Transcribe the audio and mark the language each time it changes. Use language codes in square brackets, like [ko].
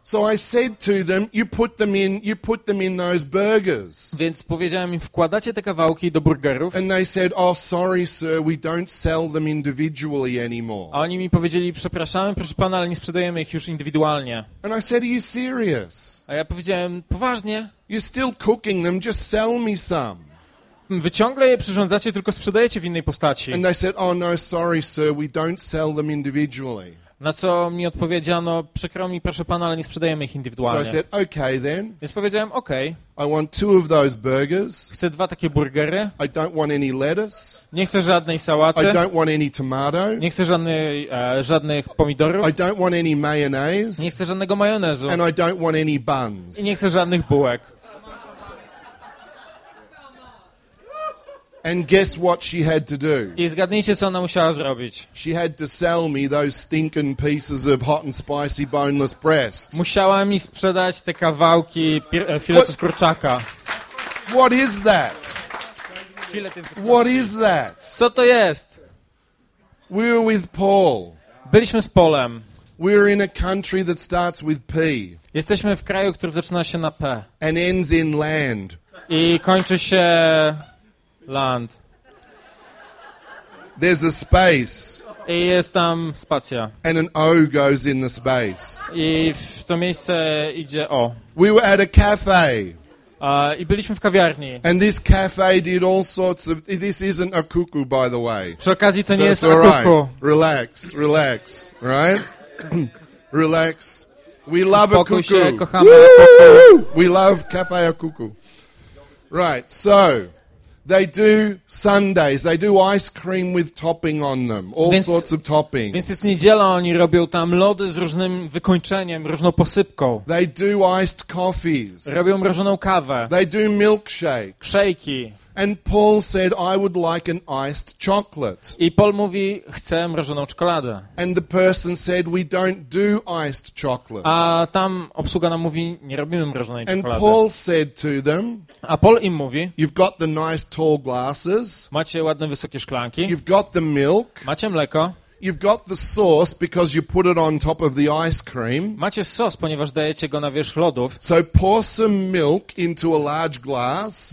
[en] So I said to them, you put them in those burgers. [pl] Więc powiedziałem im, wkładacie te kawałki do burgerów. [en] And they said, oh sorry sir, we don't sell them individually anymore. [pl] A oni mi powiedzieli, przepraszamy, proszę pana, ale nie sprzedajemy ich już indywidualnie. [en] And I said, are you serious? [pl] A ja powiedziałem, poważnie. [en] You're still cooking them, just sell me some. [pl] Wy ciągle je przyrządzacie, tylko sprzedajecie w innej postaci. [en] And they said, oh no, sorry sir, we don't sell them individually. [pl] Na co mi odpowiedziano, przykro mi, proszę pana, ale nie sprzedajemy ich indywidualnie. [en] So I said, okay then. [pl] Więc powiedziałem, okej. [en] I want two of those burgers. [pl] Chcę dwa takie burgery. [en] I don't want any lettuce. [pl] Nie chcę żadnej sałaty. [en] I don't want any tomato. [pl] Nie chcę żadnych pomidorów. [en] I don't want any mayonnaise. [pl] Nie chcę żadnego majonezu. [en] And I don't want any buns. [pl] I nie chcę żadnych bułek. [en] And guess what she had to do? [pl] I zgadnijcie, co ona musiała zrobić. [en] She had to sell me those stinking pieces of hot and spicy boneless breast. [pl] Musiała mi sprzedać te kawałki filetu z kurczaka. [en] What is that? What is that? [pl] Co to jest? [en] We were with Paul. [pl] Byliśmy z Paulem. [en] We're in a country that starts with P. [pl] Jesteśmy w kraju, który zaczyna się na P. [en] And ends in land. [pl] I kończy się land. [en] There's a space. [pl] I jest tam spacja. [en] And an O goes in the space. [pl] I w to miejsce idzie O. [en] We were at a cafe. [pl] I byliśmy w kawiarni. [en] And this cafe did all sorts of. This isn't a cuckoo, by the way. [pl] Przy okazji to [en] so [pl] nie jest [en] a cuckoo. Relax, relax, right? Relax. We love [pl] spokój [en] a cuckoo. [pl] Się, kochamy cuckoo. [en] We love cafe a cuckoo. Right, so. They do sundaes. They do ice cream with topping on them. All sorts of toppings. [pl] Więc jest niedziela, oni robią tam lody z różnym wykończeniem, różną posypką. [en] They do iced coffees. [pl] Robią mrożoną kawę. [en] They do milkshakes. [pl] Szejki. [en] And Paul said, I would like an iced chocolate. [pl] I Paul mówi, chcę mrożoną czekoladę. [en] And the person said, we don't do iced chocolates. [pl] A tam obsługa nam mówi, nie robimy mrożonej czekolady. [en] And Paul said to them, [pl] a Paul im mówi, [en] you've got the nice tall glasses. [pl] Macie ładne wysokie szklanki. [en] You've got the milk. [pl] Macie mleko. [en] You've got the sauce because you put it on top of the ice cream. [pl] Macie sos, ponieważ dajecie go na wierzch lodów. [en] So pour some milk into a large glass.